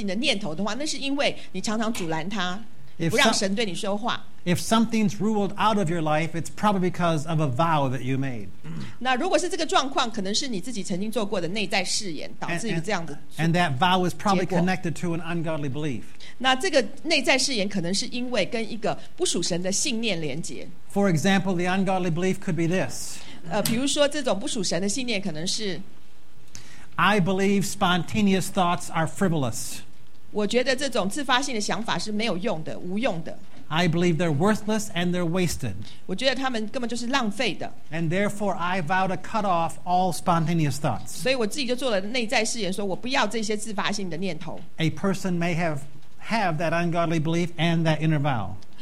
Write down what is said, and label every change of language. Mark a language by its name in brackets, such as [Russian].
[Chinese] 如果你觉得你没有得到这种自发性的念头的话，那是因为你常常阻拦它。 [English] If something's ruled out of your life, it's probably because of a vow that you made. [Chinese] 那如果是这个状况，可能是你自己曾经做过的内在誓言导致于这样的。 [English] And that vow is probably connected to an ungodly belief. [Chinese] 那这个内在誓言可能是因为跟一个不属神的信念连结。 [English] For example, the ungodly belief could be this. [Chinese] 比如说这种不属神的信念可能是 [English] I believe spontaneous thoughts are frivolous. [Chinese] 我觉得这种自发性的想法是没有用的，无用的。 [English] I believe they're worthless and they're wasted. [Chinese] 我觉得他们根本就是浪费的。 [English] And therefore, I vow to cut off all spontaneous thoughts. [Chinese] 所以我自己就做了内在誓言，说我不要这些自发性的念头。 [English] A person may have that ungodly belief and that inner vow.